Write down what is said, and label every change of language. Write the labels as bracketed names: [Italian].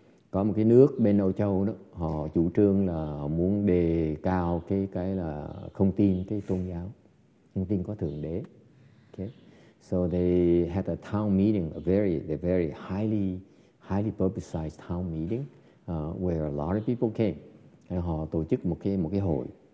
[Vietnamese] Có một cái nước bên Âu Châu đó, họ chủ trương là muốn đề cao cái là không tin cái tôn giáo, không tin có thượng đế. Okay. [English] So they had a town meeting, a very highly publicized town meeting where a lot of people came. And [Vietnamese] họ tổ chức một cái hội.